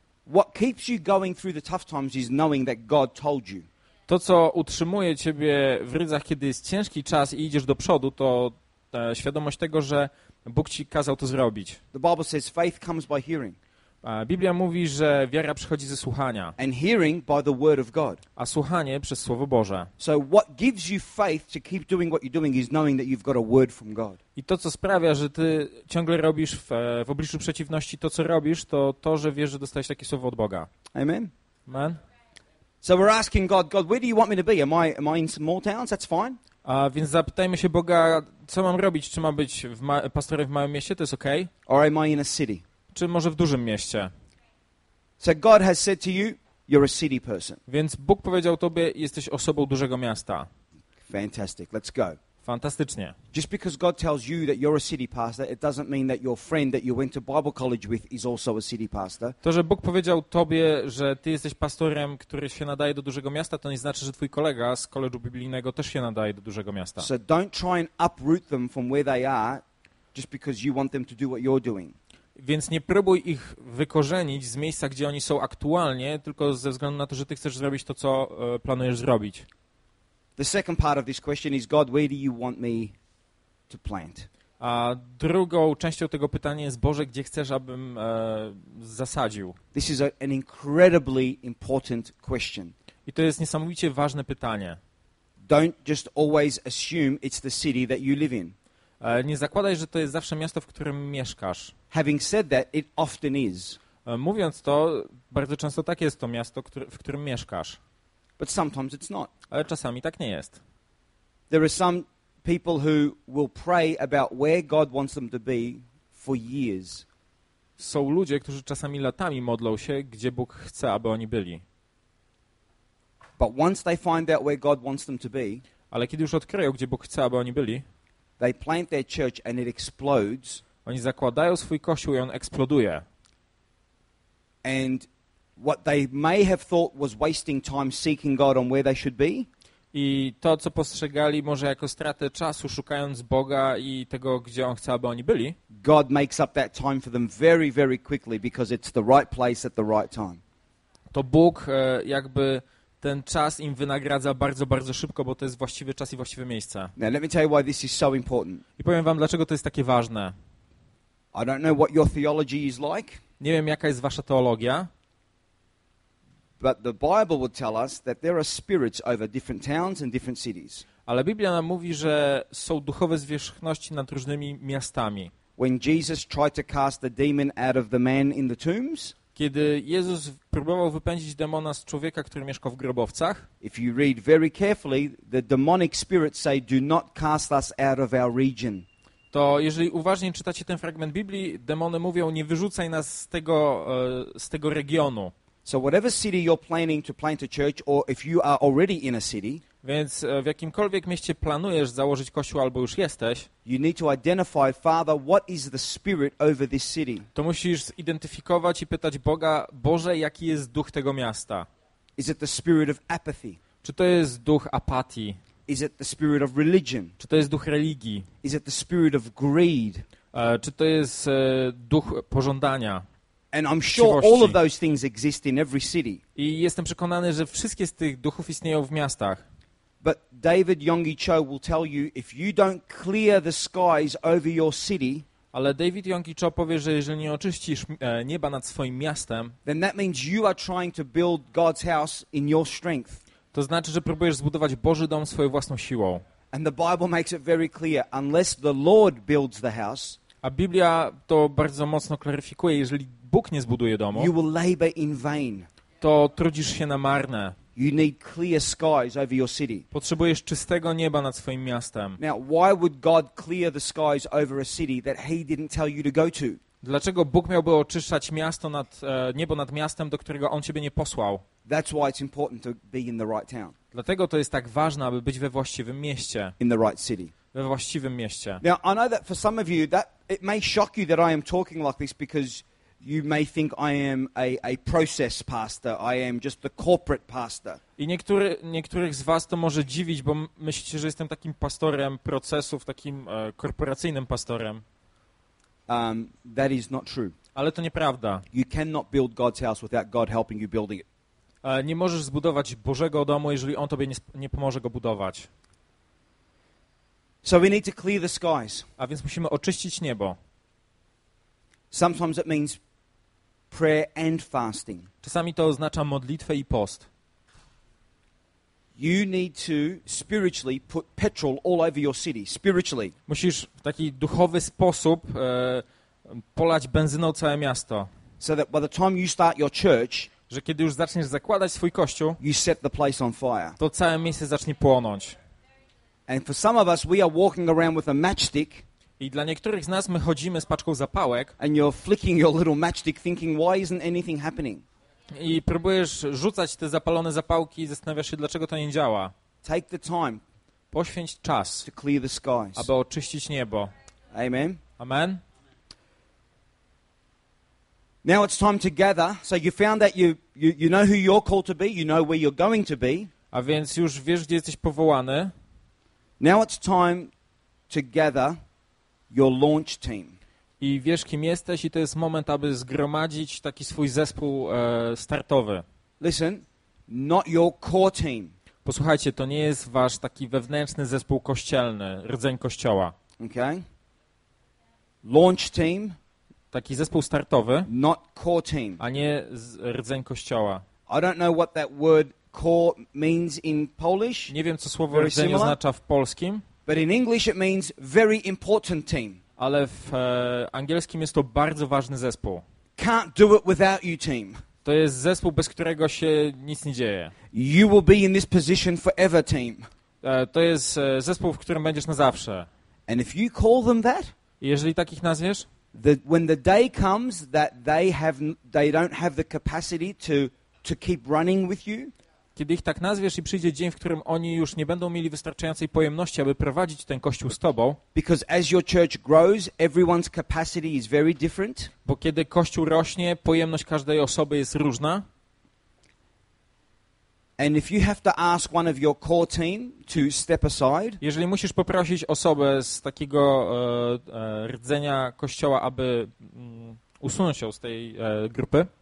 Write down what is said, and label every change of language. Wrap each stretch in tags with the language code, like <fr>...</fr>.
<en>What keeps you going through the tough times is knowing that God told you.</en> <pl>To, co utrzymuje ciebie w ryzach, kiedy jest ciężki czas i idziesz do przodu, to świadomość tego, że Bóg ci kazał to zrobić.</pl> <en>The Bible says faith comes by hearing.</en> <pl>Biblia mówi, że wiara przychodzi ze słuchania.</pl> <en>And hearing by the word of God.</en> <pl>A słuchanie przez słowo Boże.</pl> <en>So what gives you faith to keep doing what you're doing is knowing that you've got a word from God.</en> <pl>I to, co sprawia, że ty ciągle robisz w obliczu przeciwności to, co robisz, to, że wiesz, że dostajesz takie słowo od Boga.</pl> <en>Amen.</en> <pl>Amen.</pl> <en>So we're asking God, God, where do you want me to be? Am I in small towns? That's fine.</en> <pl>A więc zapytajmy się Boga, co mam robić? Czy mam być pastorem w małym mieście? To jest okej.</pl> <en>Or am I in a city?</en> <pl>Czy może w dużym mieście.</pl> <en>So God has said to you, you're a city person.</en> <pl>Więc Bóg powiedział tobie, jesteś osobą dużego miasta.</pl> <en>Fantastic. Let's go.</en> <pl>Fantastycznie.</pl> <en>Just because God tells you that you're a city pastor, it doesn't mean that your friend that you went to Bible college with is also a city pastor.</en> <pl>To, że Bóg powiedział tobie, że ty jesteś pastorem, który się nadaje do dużego miasta, to nie znaczy, że twój kolega z koledżu biblijnego też się nadaje do dużego miasta.</pl> <en>So don't try and uproot them from where they are just because you want them to do what you're doing.</en> <pl>Więc nie próbuj ich wykorzenić z miejsca, gdzie oni są aktualnie, tylko ze względu na to, że ty chcesz zrobić to, co planujesz zrobić.</pl> <en>The second part of this question is, God, where do you want me to plant?</en> <pl>A drugą częścią tego pytania jest, Boże, gdzie chcesz, abym zasadził?</pl> <en>This is an incredibly important question.</en> <pl>I to jest niesamowicie ważne pytanie.</pl> <en>Don't just always assume it's the city that you live in.</en> <pl>Nie zakładaj, że to jest zawsze miasto, w którym mieszkasz.</pl> <en>Having said that, it often is.</en> <pl>Mówiąc to, bardzo często tak jest to miasto, w którym mieszkasz.</pl> <en>But sometimes it's not.</en> <pl>Ale czasami tak nie jest.</pl> <en>There are some people who will pray about where God wants them to be for years.</en> <pl>Są ludzie, którzy czasami latami modlą się, gdzie Bóg chce, aby oni byli.</pl> <en>But once they find out where God wants them to be,</en> <pl>ale kiedy już odkryją, gdzie Bóg chce, aby oni byli,</pl> <en>they plant their church and it explodes.</en> <pl>Oni zakładają swój kościół i on eksploduje.</pl> <en>And what they may have thought was wasting time seeking God on where they should be.</en> <pl>I to, co postrzegali może jako stratę czasu szukając Boga i tego, gdzie on chce, aby oni byli.</pl> <en>God makes up that time for them very, very quickly because it's the right place at the right time.</en> <pl>To Bóg jakby ten czas im wynagradza bardzo, bardzo szybko, bo to jest właściwy czas i właściwe miejsce.</pl> <en>Now, let me tell you why this is so important.</en> <pl>I powiem wam, dlaczego to jest takie ważne.</pl> <en>I don't know what your theology is like.</en> <pl>Nie wiem, jaka jest wasza teologia.</pl> <en>But the Bible would tell us that there are spirits over different towns and different cities.</en> <pl>Ale Biblia nam mówi, że są duchowe zwierzchności nad różnymi miastami.</pl> <en>When Jesus tried to cast the demon out of the man in the tombs.</en> <pl>Kiedy Jezus próbował wypędzić demona z człowieka, który mieszkał w grobowcach.</pl> <en>If you read very carefully, the demonic spirits say, "Do not cast us out of our region."</en> <pl>To jeżeli uważnie czytacie ten fragment Biblii, demony mówią, nie wyrzucaj nas z tego regionu.</pl> <en>So whatever city you're planning to plant a church, or if you are already in a city,</en> <pl>więc w jakimkolwiek mieście planujesz założyć kościół albo już jesteś,</pl> <en>you need to identify, Father, what is the spirit over this city?</en> <pl>To musisz zidentyfikować i pytać Boga, Boże, jaki jest duch tego miasta?</pl> <en>Is it the spirit of apathy?</en> <pl>Czy to jest duch apatii?</pl> <en>Is it the spirit of religion?</en> <pl>Czy to jest duch religii?</pl> <en>Is it the spirit of greed?</en> <pl>Czy to jest duch pożądania?</pl> <en>And I'm sure all of those things exist in every city.</en> <pl>I jestem przekonany, że wszystkie z tych duchów istnieją w miastach.</pl> <en>But David Yonggi Cho will tell you, if you don't clear the skies over your city,</en> <pl>Ale David Yonggi Cho powie, że jeżeli nie oczyścisz nieba nad swoim miastem,</pl> <en>then that means you are trying to build God's house in your strength.</en> <pl>To znaczy, że próbujesz zbudować Boży dom swoją własną siłą.</pl> <en>And the Bible makes it very clear, unless the Lord builds the house,</en> <pl>a Biblia to bardzo mocno klaryfikuje, jeżeli Bóg nie zbuduje domu,</pl> <en>you will labor in vain.</en> <pl>To trudzisz się na marne.</pl> <en>You need clear skies over your city.</en> <pl>Potrzebujesz czystego nieba nad swoim miastem.</pl> <en>Now, why would God clear the skies over a city that He didn't tell you to go to?</en> <pl>Dlaczego Bóg miałby oczyszczać miasto nad, niebo nad miastem, do którego On ciebie nie posłał?</pl> <en>That's why it's important to be in the right town.</en> <pl>Dlatego to jest tak ważne, aby być we właściwym mieście.</pl> <en>In the right city.</en> <pl>We właściwym mieście.</pl> <en>Now, I know that for some of you, that it may shock you that I am talking like this because you may think I am a process pastor. I am just the corporate pastor.</en> <pl>I niektórych z was to może dziwić, bo myślicie, że jestem takim pastorem procesów, takim korporacyjnym pastorem.</pl> <en>That is not true.</en> <pl>Ale to nieprawda.</pl> <en>You cannot build God's house without God helping you building it.</en> <pl>Nie możesz zbudować Bożego domu, jeżeli On tobie nie pomoże go budować.</pl> <en>So we need to clear the skies.</en> <pl>A więc musimy oczyścić niebo.</pl> <en>Sometimes it means prayer and fasting.</en> <pl>Czasami to oznacza modlitwę i post.</pl> <en>You need to spiritually put petrol all over your city, spiritually.</en> <pl>Musisz w taki duchowy sposób polać benzyną całe miasto.</pl> <en>So that by the time you start your church,</en> <pl>że kiedy już zaczniesz zakładać swój kościół,</pl> <en>you set the place on fire.</en> <pl>To całe miejsce zacznie płonąć.</pl> <en>And for some of us, we are walking around with a matchstick.</en> <pl>I dla niektórych z nas my chodzimy z paczką zapałek.</pl> <en>And you're flicking your little matchstick, thinking, why isn't anything happening?</en> <pl>I próbujesz rzucać te zapalone zapałki i zastanawiasz się, dlaczego to nie działa.</pl> <en>Take the time.</en> <pl>Poświęć czas.</pl> <en>To clear the skies.</en> <pl>Aby oczyścić niebo.</pl> <en>Amen.</en> <pl>Amen.</pl> <en>Now it's time to gather. So you found that you know who you're called to be. You know where you're going to be.</en> <pl>A więc już wiesz, gdzie jesteś powołany.</pl> <en>Now it's time to gather your launch team.</en> <pl>I wiesz, kim jesteś, i to jest moment, aby zgromadzić taki swój zespół startowy.</pl> <en>Listen, not your core team.</en> <pl>Posłuchajcie, to nie jest wasz taki wewnętrzny zespół kościelny, rdzeń kościoła.</pl> <en>Okay. Launch team.</en> <pl>Taki zespół startowy,</pl> <en>not core team.</en> <pl>A nie rdzeń kościoła.</pl> <en>I don't know what that word core means in Polish.</en> <pl>Nie wiem, co słowo rdzeń</pl> <en>similar</en> <pl>oznacza w polskim.</pl> <en>But in English it means very important team.</en> <pl>Ale w angielskim jest to bardzo ważny zespół.</pl> <en>Can't do it without you, team.</en> <pl>To jest zespół, bez którego się nic nie dzieje.</pl> <en>You will be in this position forever, team.</en> <pl>To jest zespół, w którym będziesz na zawsze.</pl> <en>And if you call them that,</en> <pl>jeżeli tak ich nazwiesz,</pl> <en>when the day comes that they don't have the capacity to keep running with you,</en> <pl>kiedy ich tak nazwiesz i przyjdzie dzień, w którym oni już nie będą mieli wystarczającej pojemności, aby prowadzić ten kościół z tobą,</pl> <en>because as your church grows, everyone's capacity is very different,</en> <pl>bo kiedy kościół rośnie, pojemność każdej osoby jest różna,</pl> <en>and if you have to ask one of your core team to step aside,</en> <pl>jeżeli musisz poprosić osobę z takiego rdzenia kościoła, aby usunąć ją z tej grupy,</pl>